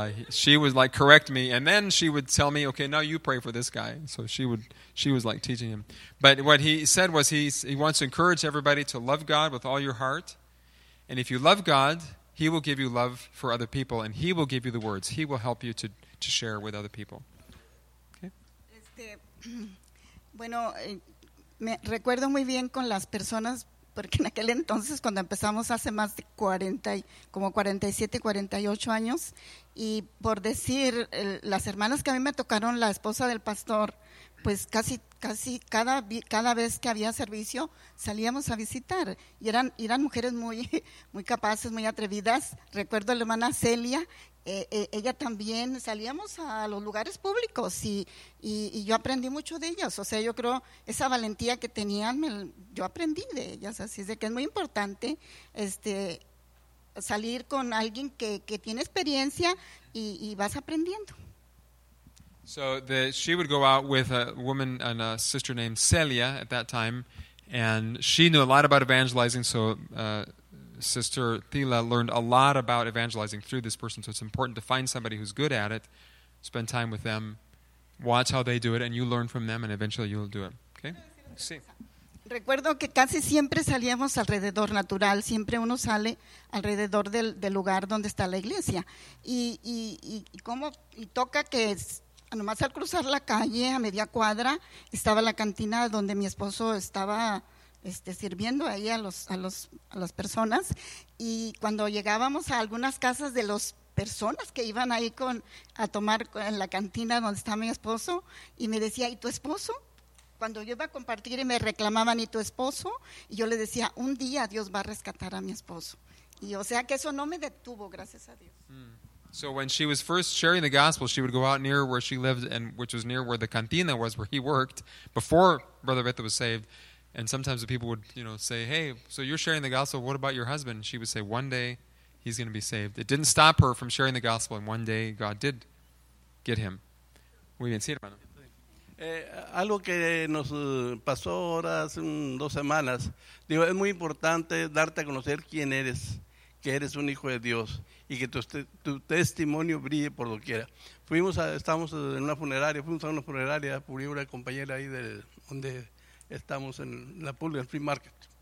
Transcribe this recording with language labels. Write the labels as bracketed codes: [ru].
[en] She would like correct me, and then she would tell me, "Okay, now you pray for this guy." So she was like teaching him. But what he said was he wants to encourage everybody to love God with all your heart, and if you love God, He will give you love for other people, and He will give you the words. He will help you to share with other people. Okay. [es] Bueno, me recuerdo muy bien con las personas porque en aquel entonces cuando empezamos hace más de 40 como 47, 48 años y por decir las hermanas que a mí me tocaron la esposa del pastor, pues casi cada vez que había servicio salíamos a visitar y eran mujeres muy capaces, muy atrevidas. Recuerdo a la hermana Celia, ella también salíamos a los lugares públicos y yo aprendí mucho de ellas. O sea, yo creo esa valentía que tenían, yo aprendí de ellas. Así es de que es muy importante salir con alguien que tiene experiencia y vas aprendiendo. [en] So she would go out with a woman and a sister named Celia at that time, and she knew a lot about evangelizing, so Sister Thila learned a lot about evangelizing through this person, so it's important to find somebody who's good at it, spend time with them, watch how they do it, and you learn from them, and eventually you'll do it. Okay? Sí. [es] Recuerdo que casi siempre salíamos alrededor natural, siempre uno sale alrededor del lugar donde está la iglesia, y toca que es, nomás al cruzar la calle a media cuadra estaba la cantina donde mi esposo estaba sirviendo ahí a las personas, y cuando llegábamos a algunas casas de las personas que iban ahí a tomar en la cantina donde estaba mi esposo, y me decía, ¿y tu esposo? Cuando yo iba a compartir y me reclamaban, ¿y tu esposo? Y yo le decía, un día Dios va a rescatar a mi esposo. Y o sea que eso no me detuvo, gracias a Dios. [en] So when she was first sharing the gospel, she would go out near where she lived, and which was near where the cantina was, where he worked, before Brother Beto was saved. And sometimes the people would, say, hey, so you're sharing the gospel, what about your husband? She would say, one day he's going to be saved. It didn't stop her from sharing the gospel, and one day God did get him. [es] Muy bien, sí, hermano. Algo que nos pasó ahora hace dos semanas, digo, es muy importante darte a conocer quién eres, que eres un hijo de Dios y que tu testimonio brille por doquiera. Estamos en una funeraria, fuimos a una funeraria, por una compañera ahí donde estamos en la Pulga, el Free Market.